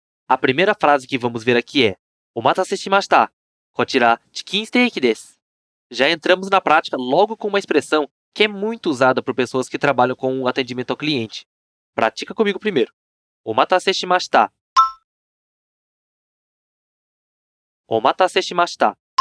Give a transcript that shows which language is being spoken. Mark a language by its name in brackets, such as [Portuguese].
[Portuguese] A primeira frase que vamos ver aqui é [Japanese] お待たせしました。こちらチキンステーキです。 [Portuguese] Já entramos na prática logo com uma expressãoque é muito usada por pessoas que trabalham com o atendimento ao cliente. Pratica comigo primeiro. [Japanese] Omatase shimashita. Omatase shimashita.